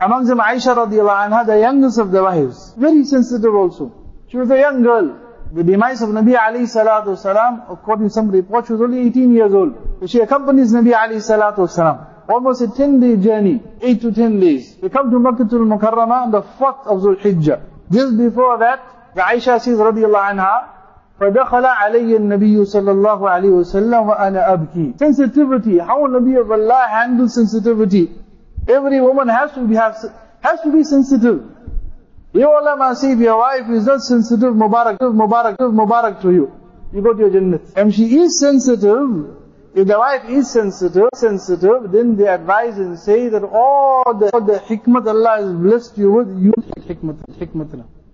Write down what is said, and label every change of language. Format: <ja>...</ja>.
<en>Among them Aisha radiallahu anha, the youngest of the wives. Very sensitive also. She was a young girl. The demise of Nabi alayhi salatu wasalam, according to some reports, she was only 18 years old. She accompanies Nabi alayhi salatu wasalam. Almost a 10-day journey, 8 to 10 days. They come to Makkatul Mukarrama on the 4th of Zulhijjah. Just before that, the Aisha says</en> <ar>radiallahu anha, فَدَخَلَ عَلَيَّ النَّبِيُّ صَلَّى اللَّهُ عَلَيْهُ وَسَلَّمُ وَأَنَا أَبْكِي.</ar> <en>Sensitivity. How Nabi of Allah handles sensitivity. Every woman has to be sensitive. You all must see if your wife is not sensitive, mubarak to you. You go to your jannah. And she is sensitive. If the wife is sensitive, then they advise and say that all the hikmat Allah has blessed you with, use hikmatna.</en>